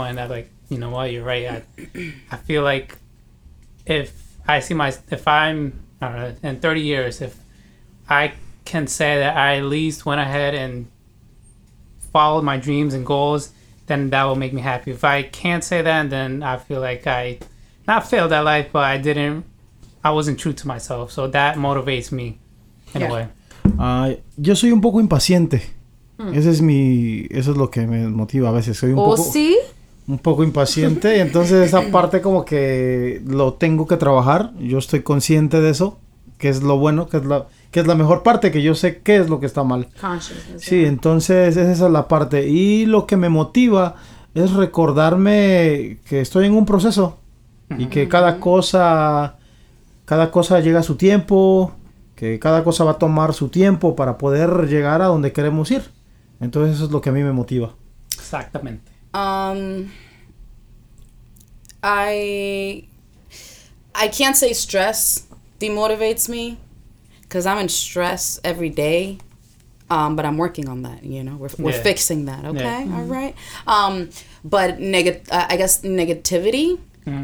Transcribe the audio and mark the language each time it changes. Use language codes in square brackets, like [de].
[en] And I'm like, you know what, you're right. I feel like in 30 years, if I can say that I at least went ahead and followed my dreams and goals, then that will make me happy. If I can't say that, then I feel like I not failed at life, but I wasn't true to myself. So that motivates me in a way. [es] Yo soy un poco impaciente. Eso es lo que me motiva a veces. Un poco impaciente, y entonces esa parte como que lo tengo que trabajar. Yo estoy consciente de eso, que es lo bueno, que es la mejor parte, que yo sé qué es lo que está mal. Sí, entonces esa es la parte. Y lo que me motiva es recordarme que estoy en un proceso y que cada cosa llega a su tiempo, que cada cosa va a tomar su tiempo para poder llegar a donde queremos ir. Entonces eso es lo que a mí me motiva. Exactamente. [en] I can't say stress demotivates me, because I'm in stress every day, but I'm working on that, you know, we're fixing that, okay, yeah. All right, but negativity, mm-hmm.